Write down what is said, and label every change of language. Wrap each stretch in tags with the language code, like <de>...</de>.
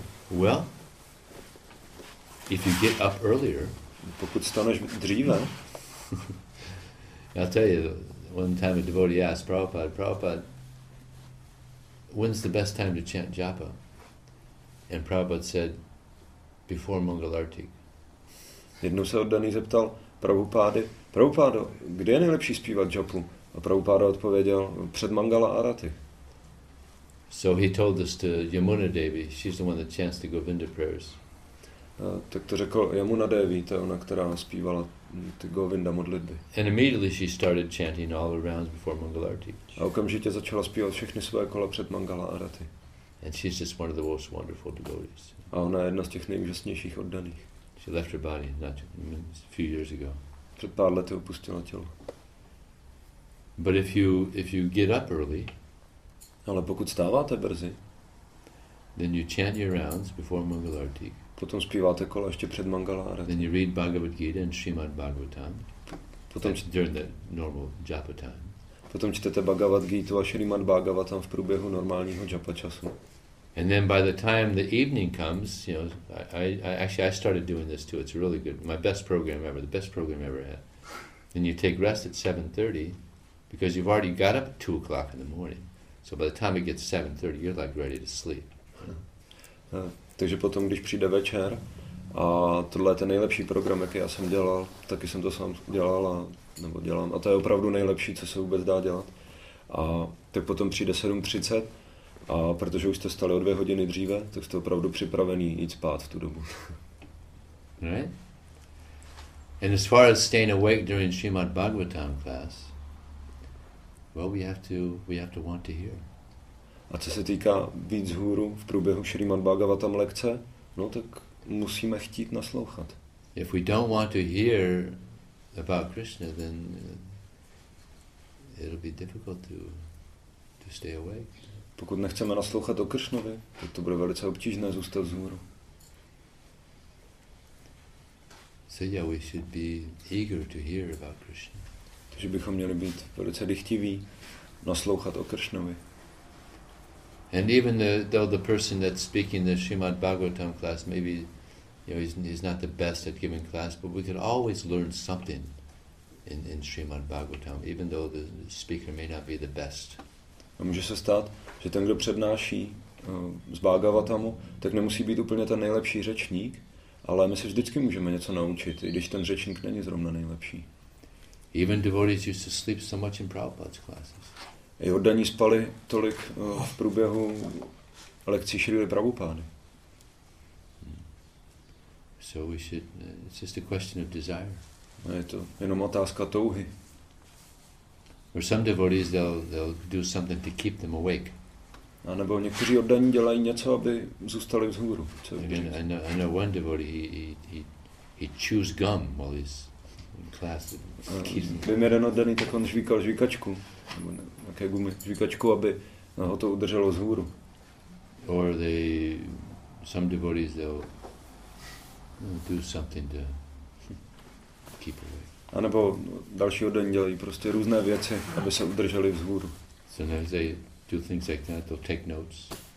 <en>Well, if you get up earlier,</en> <cs>pokud staneš dříve,</cs> <en>I'll tell you, one time a devotee asked Prabhupada, Prabhupada, when's the best time to chant japa? And Prabhupada said, before Mangal Arti.</en> <cs>Jednou se oddaný zeptal Prabhupády, Prabhupádo, kde je nejlepší zpívat japu? A Prabhupáda odpověděl, před Mangala Arati.</cs> <en>So he told this to Yamuna Devi. She's the one that chants the Govinda prayers.</en> <cs>Tak to řekl Yamuna Devi, to je ona, která zpívala ty Govinda modlitby.</cs> <en>And immediately she started chanting all the rounds before Mangala Arati.</en> <cs>A okamžitě začala zpívat všechny svoje kola před Mangala Arati.</cs> <en>And she's just one of the most wonderful devotees.</en> <cs>A ona je jedna z těch nejúžasnějších oddaných.</cs> <en>She left her body not a few years ago.</en> <cs>Před pár lety opustila tělo.</cs> <en>But if you get up early,</en> <cs>ale pokud stáváte brzy,</cs> <en>then you chant your rounds before Mangal Arati.</en> <cs>Potom zpíváte kola ještě před Mangala Arati.</cs> <en>Then you read Bhagavad Gita and Srimad Bhagavatam.</en> <cs>Potom</cs> <en>during the normal japa time.</en> <cs>Potom čtete Bhagavad Gita a Srimad Bhagavatam v průběhu normálního japa času.</cs> <en>And then by the time the evening comes, you know, I started doing this too. It's really good. My best program ever, the best program ever had. Then you take rest at 7:30 because you've already got up at 2:00 in the morning. So by the time it gets 7:30, you're like ready to sleep.</en> <cs>Takže potom, když přijde večer, a tohle je ten nejlepší program, jaký já jsem dělal, taky jsem to sám dělal, nebo dělám, a to je opravdu nejlepší, co se vůbec dá dělat. A tak potom přijde 7:30, a protože už jste stali o 2 hodiny dříve, tak jste opravdu připravený jít spát v tu dobu.</cs> <en>Right? And as far as staying awake during Srimad Bhagavatam class, well, we have to want to hear.</en> <cs>A co se týká víc hůru v průběhu Srimad Bhagavatam lekce, no tak musíme chtít naslouchat.</cs> <en>If we don't want to hear about Krishna, then it'll be difficult to stay awake.</en> <cs>Pokud nechceme naslouchat o Kršnovi, tak to bude velice obtížné zůstat vzhůru.</cs> <en>So yeah, we should be eager to hear about Krishna.</en> <cs>Takže bychom měli být velice dychtiví naslouchat o Kršnovi.</cs> <en>And even though the person that's speaking the Srimad Bhagavatam class, maybe you know he's not the best at giving class, but we could always learn something in Srimad Bhagavatam, even though the speaker may not be the best.</en> <cs>A může se stát, že ten, kdo přednáší z Bhagavatamu, tak nemusí být úplně ten nejlepší řečník, ale my se vždycky můžeme něco naučit, i když ten řečník není zrovna nejlepší.</cs> <en>Even devotees used to sleep so much in Prabhupada's classes.</en> <cs>I oddaní spali tolik v průběhu lekcí Šrily Prabhupády.</cs> <en>So we should, it's just a question of desire.</en> <cs>A je to jenom otázka touhy.</cs> <en>Or some devotees they'll do something to keep them awake.</en> <cs>A nebo někteří oddaní dělají něco, aby zůstali vzhůru.</cs> <en>I know one devotee he chews gum while he's in class.</en> <cs>Vím jeden oddaný, tak on žvíkal žvíkačku, nebo nějaké gumy, žvíkačku, aby ho to udrželo vzhůru.</cs> <en>Or some devotees they'll do something to keep awake.</en> <cs>A nebo další oddaní dělají prostě různé věci, aby se udrželi vzhůru.</cs> <en>Sometimes they do things like that, they'll take notes.</en>